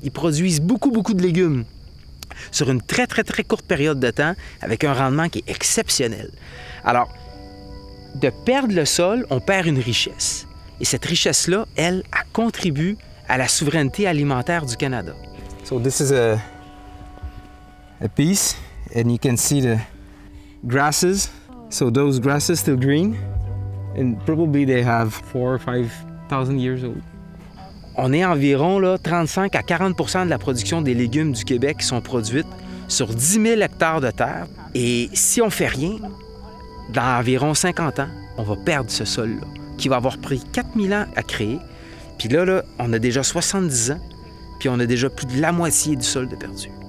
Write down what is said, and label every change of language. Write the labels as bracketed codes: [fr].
[fr] Ils produisent beaucoup, beaucoup de légumes sur une très, très, très courte période de temps avec un rendement qui est exceptionnel. Alors, de perdre le sol, on perd une richesse. Et cette richesse-là, elle, a contribué à la souveraineté alimentaire du Canada. [en] So this is a piece, and you can see the grasses. So those grasses still green, and probably they have 4,000 or 5,000 years old. [fr] On est environ là 35 à 40% de la production des légumes du Québec qui sont produites sur 10 000 hectares de terre. Et si on fait rien, dans environ 50 ans, on va perdre ce sol-là, qui va avoir pris 4000 ans à créer. Puis là, là, on a déjà 70 ans, puis on a déjà plus de la moitié du sol de perdu.